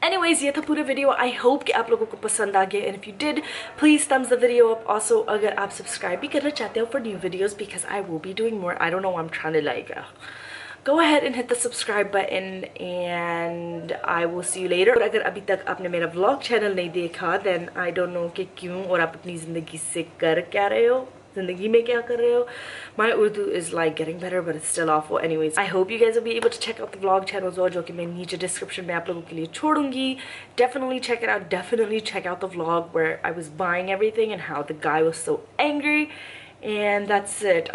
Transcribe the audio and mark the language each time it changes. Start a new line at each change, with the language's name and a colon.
English: Anyways,
Hindi: ye tha pura video.
English: I hope
Hindi: ki aap logo ko pasand aa gaya,
English: and if you did, please thumbs the video up. Also,
Hindi: agar aap subscribe bhi karna chahte ho
English: for new videos, because I will be doing more. I don't know why I'm trying to like go ahead and hit the subscribe button and I will see you later.
Hindi: अगर अभी तक आपने मेरा vlog channel नहीं देखा
English: then I don't know
Hindi: कि क्यों और आप अपनी ज़िंदगी से कर क्या रहे हो ज़िंदगी में क्या कर रहे हो.
English: My Urdu is like getting better but it's still awful. Anyways, I hope you guys will be able to check out the vlog channel as well
Hindi: जो कि मैं नीचे description में आप लोगों के लिए छोड़ूंगी.
English: Definitely check it out. Definitely check out the vlog where I was buying everything and how the guy was so angry. And that's it.